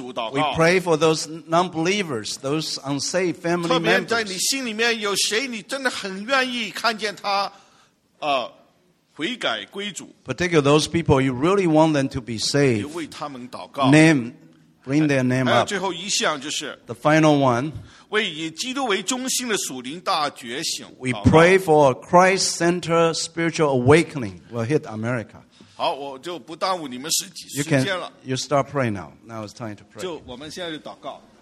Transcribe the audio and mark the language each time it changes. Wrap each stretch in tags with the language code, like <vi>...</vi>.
<en>We pray for those non-believers, those unsaved family members.</en> <zh>特别在你心里面有谁，你真的很愿意看见他。悔改归主。</zh> <en>Particularly those people you really want them to be saved.</en> <zh>为他们祷告。</zh> <en>Name, bring their name up.</en> <zh>最后一项就是</zh> <en>the final one.</en> <zh>为以基督为中心的属灵大觉醒。</zh> <en>We pray for a Christ-centered spiritual awakening will hit America.</en> <zh>好，我就不耽误你们时间了。</zh> <en>You can, you start praying now. Now it's time to pray.</en> <zh>就我们现在就祷告。</zh>